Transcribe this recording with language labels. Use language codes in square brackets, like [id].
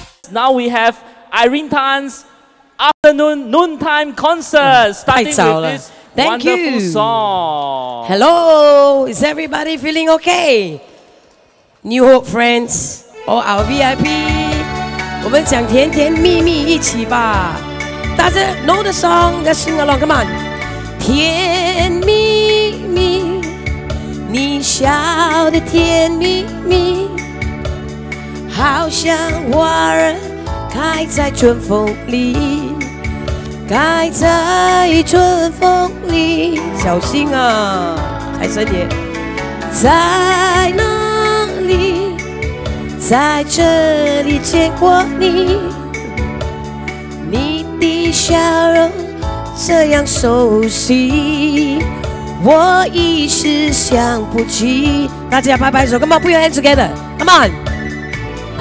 [en] Now we have Irene Tan'sAfternoon Noontime Concert, starting with this Thank wonderful song. Hello, is everybody feeling okay? New Hope friends, all our VIP, [zh] 我们讲甜甜蜜蜜一起吧。大家 [en] know the song, let's sing along, come on. [zh] 甜蜜蜜，你笑得甜蜜蜜，好像花儿开在春风里，开在春风里，小心啊，财神爷。在哪里？在这里见过你，你的笑容这样熟悉，我一时想不起。大家拍拍手 [en] ，Come on, put your hands together, come on。